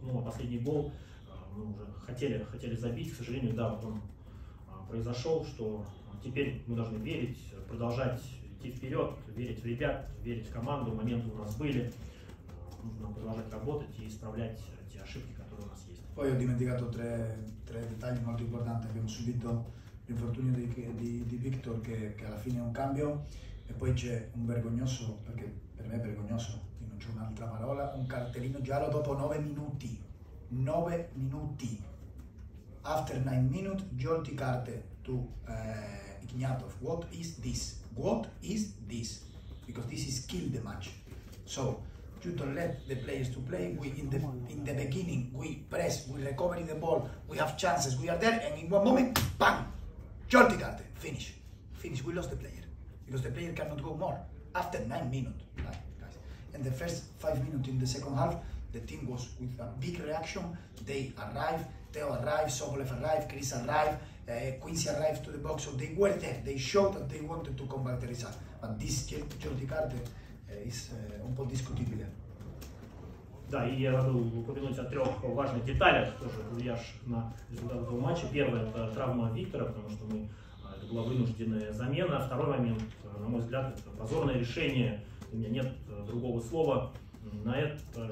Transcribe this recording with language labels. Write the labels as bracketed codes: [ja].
[ru] Ну, а последний гол мы уже хотели забить, к сожалению, да, вот он произошел, что теперь мы должны верить, продолжать идти вперед, верить в ребят, верить в команду. Моменты у нас были. Нужно продолжать работать и исправлять те ошибки, которые у нас есть. [it] Poi ho dimenticato tre dettagli molto importanti. Abbiamo subito l'infortunio di Victor, che alla fine è un cambio, e poi c'è un vergognoso, perché per me è vergognoso, e non c'è un'altra parola, un cartellino giallo dopo 9 minuti. 9 minuti. [en] After 9 minutes, jolty karte to Ignatov. What is this? What is this? Because this is kill the match. So, you don't let the players to play. We in the beginning we press, we recover the ball, we have chances, we are there, and in one moment, bang! Jordi Carter, finish. Finish, we lost the player. Because the player cannot go more. After 9 minutes, guys. And the first 5 minutes in the second half, the team was with a big reaction. They arrive, Theo arrive, Sobolev arrive, Chris arrive, Quincy arrived to the box. So they were there. They showed that they wanted to come back the result. But this Jordi Carter, [it] è un po' discutibile. [ru] Да, и я забыл упомянуть о трех важных деталях, тоже влиявших на результат этого матча. Первое – это травма Виктора, потому что это была вынужденная замена. Второй момент, на мой взгляд, это позорное решение. У меня нет другого слова на это.